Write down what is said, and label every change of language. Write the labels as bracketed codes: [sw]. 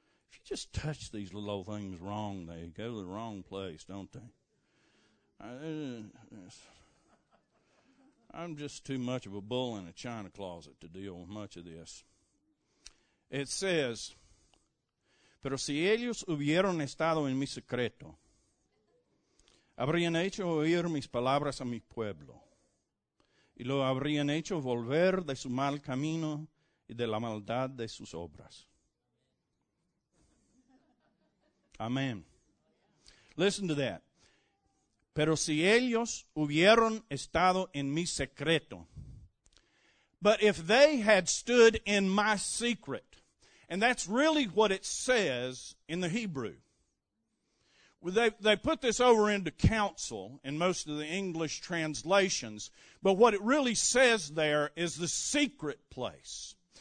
[en] If you just touch these little old things wrong, they go to the wrong place, don't they? I'm just too much of a bull in a china closet to deal with much of this. [es] It says, pero si ellos hubieran estado en mi secreto, habrían hecho oír mis palabras a mi pueblo, y lo habrían hecho volver de su mal camino y de la maldad de sus obras. Amen. Listen to that. Pero si ellos hubieran estado en mi secreto. [en] But if they had stood in my secret. And that's really what it says in the Hebrew. They put this over into counsel in most of the English translations. But what it really says there is the secret place.